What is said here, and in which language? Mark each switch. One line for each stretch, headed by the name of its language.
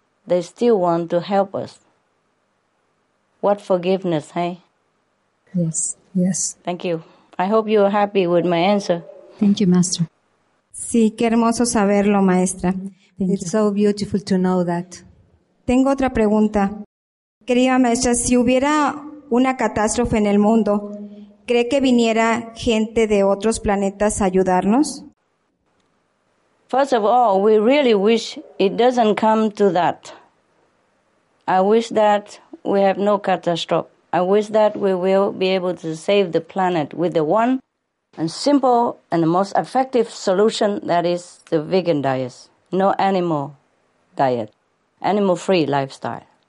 English: They still want to help us. What forgiveness, hey? Yes, yes. Thank you. I hope you are happy with my answer. Thank you, Master.
Spanish: Sí, qué hermoso saberlo, Maestra.
English: Thank you. It's so beautiful to know that.
Spanish: Tengo otra pregunta. Querida maestra, si hubiera una catástrofe en el mundo, ¿cree que viniera gente de otros planetas a ayudarnos?
English: First of all, we really wish it doesn't come to that. I wish that we have no catastrophe. I wish that we will be able to save the planet with the one and simple and the most effective solution, that is the vegan diet, no animal diet, animal-free lifestyle.